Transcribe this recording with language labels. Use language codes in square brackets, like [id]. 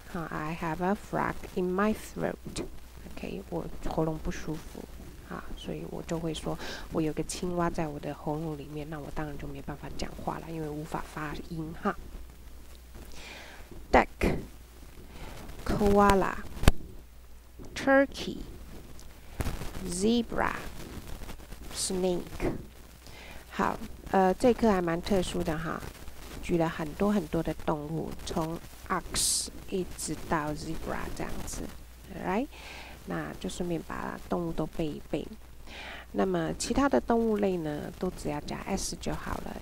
[en] I have a frog in my throat. [zh] Okay, 我喉咙不舒服。所以我就会说我有个青蛙在我的喉咙里面，那我当然就没办法讲话了，因为无法发音哈。 [en] Duck, koala, turkey, zebra, snake. [zh] 好，这课还蛮特殊的哈，举了很多很多的动物，从 ox 一直到 zebra 这样子 ，right？那就顺便把动物都背一背。那么其他的动物类呢，都只要加 s 就好了。